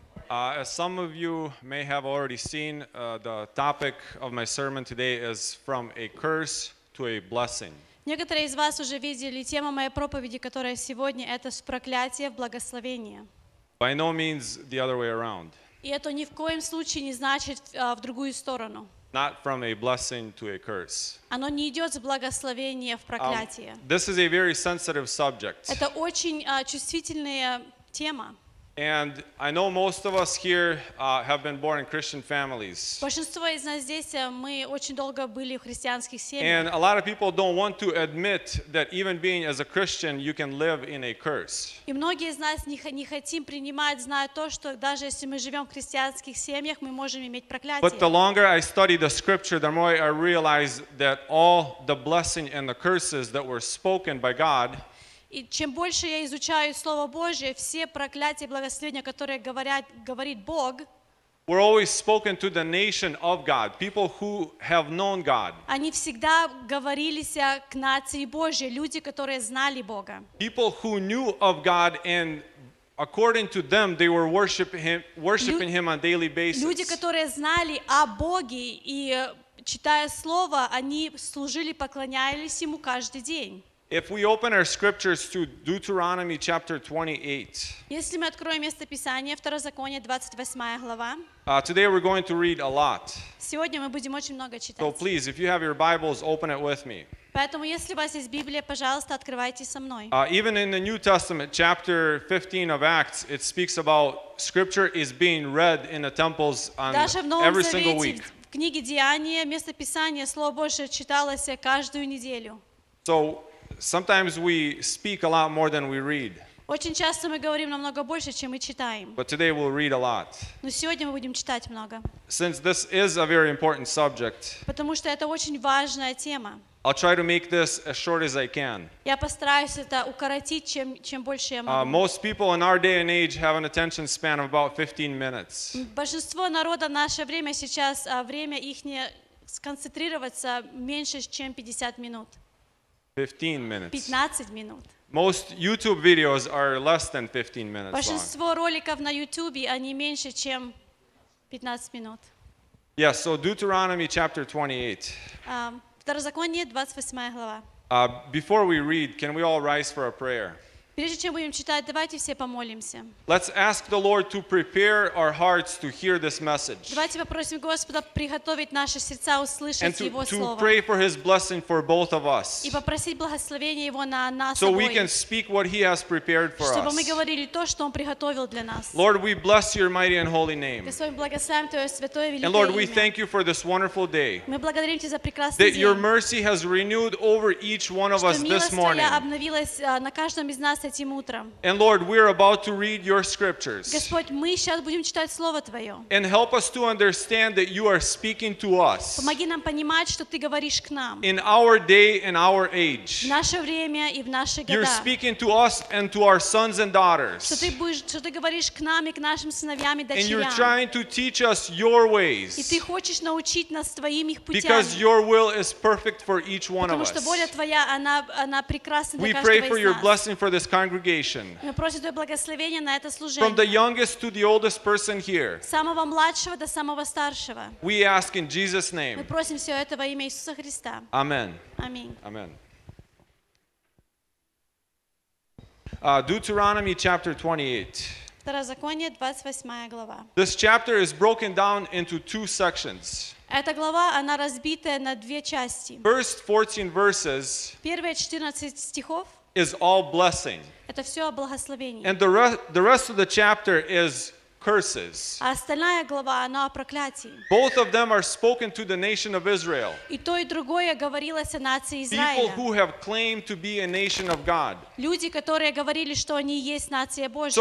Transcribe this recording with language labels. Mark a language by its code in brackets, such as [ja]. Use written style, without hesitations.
[en] As some of you may have already seen, the topic of my sermon today is from a curse to a blessing. [ru] Некоторые из вас уже видели тему моей проповеди, которая сегодня это с проклятия в благословение. [en] By no means the other way around. [ru] И это ни в коем случае не значит в другую сторону. [en] Not from a blessing to a curse. [ru] Оно не идет с благословения в проклятие. [en] This is a very sensitive subject. [ru] Это очень чувствительная тема. [en] And I know most of us here have been born in Christian families. [ru] Большинство из нас здесь мы очень долго были в христианских семьях. [en] And a lot of people don't want to admit that even being as a Christian, you can live in a curse. [ru] И многие из нас не хотим принимать, зная то, что даже если мы живем в христианских семьях, мы можем иметь проклятие. [en] But the longer I study the Scripture, the more I realize that all the blessing and the curses that were spoken by God. [ru] И чем больше я изучаю Слово Божие, все проклятия и благословения, которые говорит Бог, [en] were always spoken to the nation of God, people who have known God. [ru] Они всегда говорились к нации Божьей, люди, которые знали Бога. [en] People who knew of God, and according to them, they were worshiping Him on a daily basis. [ru] Люди, которые знали о Боге и читая Слово, они служили, поклонялись Ему каждый день. [en] If we open our scriptures to Deuteronomy chapter 28. [ru] Если мы откроем место Писания, Второзаконие 28 глава. [en] Today we're going to read a lot. [ru] Сегодня мы будем очень много читать. [en] So please, if you have your Bibles, open it with me. [ru] Поэтому, если у вас есть Библия, пожалуйста, открывайте со мной. [en] Even in the New Testament, chapter 15 of Acts, it speaks about scripture is being read in the temples on every single week. [ru] Даже в Новом Завете, в книге Деяния, место Писания, Слово Божие читалось каждую неделю. [en] So sometimes we speak a lot more than we read. [ru] Очень часто мы говорим намного больше, чем мы читаем. [en] But today we'll read a lot. [ru] Но сегодня мы будем читать много. [en] Since this is a very important subject. [ru] Потому что это очень важная тема. [en] I'll try to make this as short as I can. [ru] Я постараюсь это укоротить, чем больше я могу. [en] Most people in our day and age have an attention span of about 15 minutes. [ru] Большинство народа наше время сейчас время ихнее сконцентрироваться меньше, чем 50 минут. [en] 15 minutes. Most YouTube videos are less than 15 minutes. [ru] Большинство роликов на YouTube они меньше чем 15 минут. [en] Yes, so Deuteronomy chapter 28. [ru] Второзаконие 28 глава. [en] Before we read, can we all rise for a prayer? [ru] Прежде чем будем читать, давайте все помолимся. [en] Let's ask the Lord to prepare our hearts to hear this message. [ru] Давайте попросим Господа приготовить наши сердца услышать Его слово. [en] And to pray for His blessing for both of us. [ru] И попросить благословение Его на нас. [en] So we can speak what He has prepared for us. [ru] Чтобы мы говорили то, что Он приготовил для нас. [en] Lord, we bless Your mighty and holy name. [ru] Господь, благословим Твое святое великое имя. [en] And Lord, we thank You for this wonderful day. [ru] Мы благодарим Тебя за прекрасный день. [en] That Your mercy has renewed over each one of us this morning. [ru] Что милость Твоя обновилась на каждом из нас. [en] And Lord, we are about to read Your scriptures. [ru] Господь, мы сейчас будем читать Слово Твое. [en] And help us to understand that You are speaking to us. [ru] Помоги нам понимать, что Ты говоришь к нам. [en] In our day and our age. [ru] В наше время и в наши года. [en] You're speaking to us and to our sons and daughters. [ru] Что Ты говоришь к нам и к нашим сыновьям и дочерям. [en] And You're trying to teach us Your ways. [ru] И Ты хочешь научить нас твоим их путям. [en] Because Your will is perfect for each one of us. [ru] Потому что воля Твоя она прекрасна для каждого. [en] We pray for Your blessing for this congregation. From the youngest to the oldest person here. [ru] Самого младшего до самого старшего. [en] We ask in Jesus' name. [ru] Мы просим все это во имя Иисуса Христа. [en] Amen. Amen. Amen. Deuteronomy chapter 28. [ru] Второзаконие 28 глава. [en] This chapter is broken down into two sections. [ru] Эта глава, она разбита на две части. [en] First 14 verses. [ru] Первые 14 стихов. [en] Is all blessing. [ru] Это все о благословении. [en] And the rest of the chapter is curses. [ru] А остальная глава, она о проклятии. [en] Both of them are spoken to the nation of Israel. [ru] И то и другое говорилось о нации Израиля. [en] People who have claimed to be a nation of God. [ru] Люди, которые говорили, что они есть нация Божья.